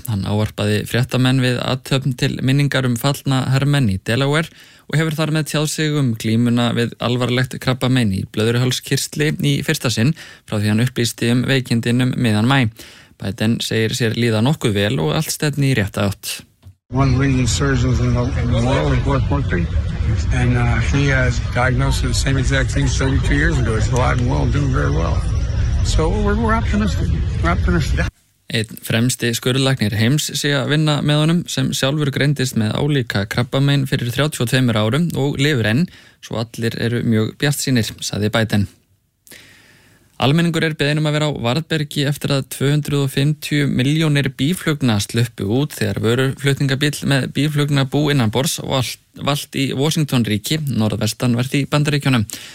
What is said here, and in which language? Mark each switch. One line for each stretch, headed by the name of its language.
Icelandic: Hann ávarpaði fréttamenn við athöfn til minningar fallna hermenn í Delaware og hefur þar með tjáð sig glímuna við alvarlegt krabbamein í blöðruhálskirtli í fyrsta sinn frá því hann upplýsti veikindinum miðan maí. Biden segir sér líða nokkuð vel og allt stefni í rétta átt.
English: One leading surgeon in the world is Mark Murphy, and he has diagnosed the same exact thing 32 years ago. He's alive and well, doing very well. So we're optimistic. We're optimistic.
Icelandic: Einn fremsti skurðlæknir heims sé að vinna með honum sem sjálfur greindist með álíka krabbamein fyrir 32 árum og lifir enn, svo allir eru mjög bjartsýnir, sagði Biden. Almenningur beðinn að vera á varðbergi eftir að 250 miljónir býflugna sluppu út þegar vöruflutningabíll með býflugnabú innan borðs valt í Washington ríki, norðvestanvert í Bandaríkjunum.